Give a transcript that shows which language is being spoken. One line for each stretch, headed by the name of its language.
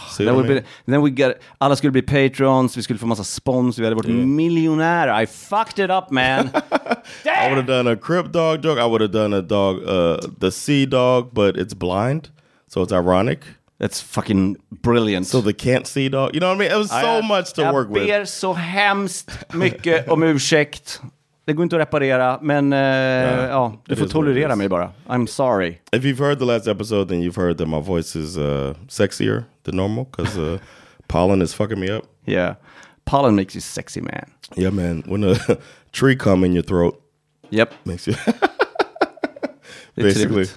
English: See what I mean? Then we got
Swedish: alla skulle bli patrons, vi skulle få massa spons, vi hade varit miljonärer.
English: I fucked it up, man. I would have done a Crip Dog joke. I would have done a dog, the sea dog, but it's blind, so it's ironic. That's fucking brilliant. So the can't see dog. You know what I mean? It was so much to work with.
Swedish: Jag ber så hemskt mycket om ursäkt. Det går inte att reparera, men du får tolerera mig bara.
English: I'm sorry. If you've heard the last episode, then you've heard that my voice is sexier than normal, because pollen is fucking me up. Yeah, pollen makes you sexy, man. Yeah, man. When a tree come in your throat, yep. Makes you... Basically.